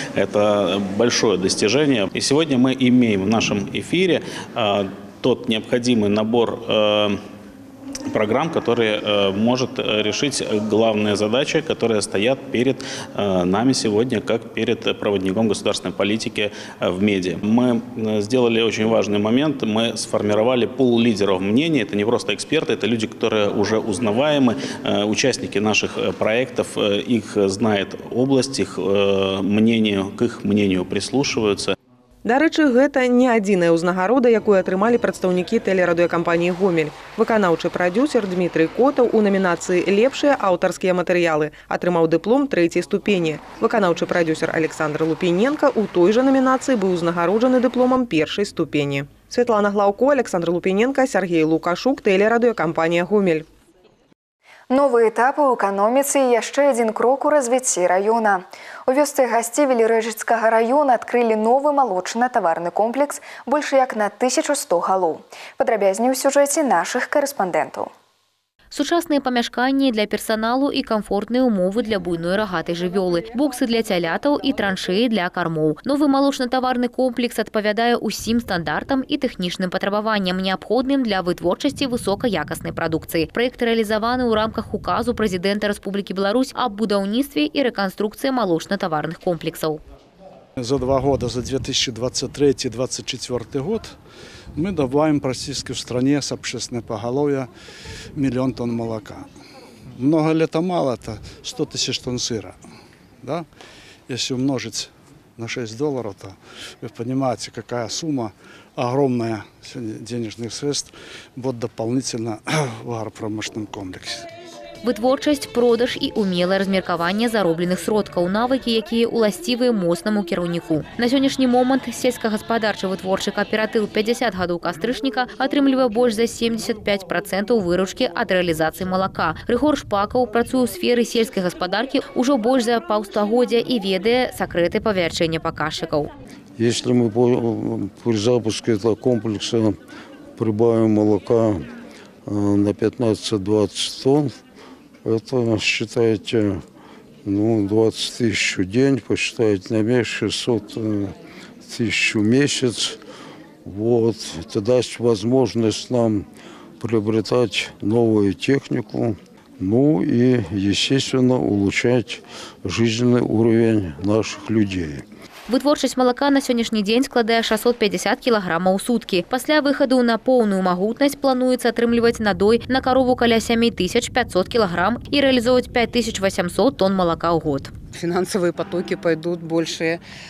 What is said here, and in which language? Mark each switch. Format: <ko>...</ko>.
<ru>Это большое достижение. И сегодня мы имеем в нашем эфире тот необходимый набор программ, который может решить главные задачи, которые стоят перед нами сегодня, как перед проводником государственной политики в медиа. Мы сделали очень важный момент. Мы сформировали пул лидеров мнений. Это не просто эксперты, это люди, которые уже узнаваемы, участники наших проектов. Их знает область, их мнению, к их мнению прислушиваются.</ru> <be>Дарэчы, гэта не адзіная ўзнагарода, якую атрымалі прадстаўнікі тэлерадыёкампаніі «Гомель». Выканаўчы прадзюсер Дмітрый Котаў у намінацыі «Лепшыя аўтарскія матэрыялы» атрымаў дыплом 3-й ступені. Выканаўчы прадзюсер Александр Лупіненка ў той жа намінацыі быў узнагароджаны дыпломам 1-й ступені. Светлана Глаўко, Александр Лупіненка, Сергей Лукашук, тэлерадыёкампанія «Гомель». Новы этап у эканоміцы і яшчэ адзін крок у развіцці раёна. У вёсцы Гасцівілі Рэжыцкага раёна адкрылі новы малочна-таварны комплекс больш як на 1100 галоў. Падрабязней у сюжэце нашых карэспандэнтаў. Сучасныя памяшканні для персаналу і камфортныя ўмовы для буйной рагатай жывёлы, боксы для цялятаў і траншеі для кармоў. Новы малочна-таварны комплекс адпавядае ўсім стандартам і тэхнічным патрабаванням, неабходным для вытворчасці высокаякаснай прадукцыі. Праект рэалізаваны ў рамках указу прэзідэнта Рэспублікі Беларусь аб будаўніцтве і рэканструкцыі малочна-таварных комплексаў.</be> <ru>За два года, за 2023-2024 год, мы добываем в российской стране с общественной поголовья 1 000 000 тонн молока. Много ли это мало? Это 100 тысяч тонн сыра. Да? Если умножить на 6 долларов, то вы понимаете, какая сумма огромная денежных средств будет дополнительно в агропромышленном комплексе.</ru> <be>Вытворчасць, продаж і умелае размеркаванне заробленых сродкаў – навыкі, якія ўласцівыя моцнаму кіраўніку. На сённяшні момант сельскагаспадарчы вытворчы кааператыў 50 гадоў кастрычніка атрымлівае больш за 75% выручкі ад рэалізацыі малака. Рыгор Шпакаў працуе ў сферы сельскай гаспадаркі ўжо больш за паўстагоддзя і ведае сакрэты павярчэння паказчыкаў.</be> <ru>Если мы при запуске этого комплекса прибавим молока на 15-20 тонн, это, считайте, 20 тысяч в день, посчитайте на месяц, 600 тысяч в месяц. Вот. Это даст возможность нам приобретать новую технику, ну и, естественно, улучшать жизненный уровень наших людей.</ru> <be>Вытворчасць малака на сённяшні дзень складае 650 кілаграмаў у суткі. Пасля выхаду на поўную магутнасць плануецца атрымліваць надой на карову каля 7500 кілаграм і рэалізоўваць 5800 тонн малака ў год. Фінансавыя патокі пойдуць большыя.</be>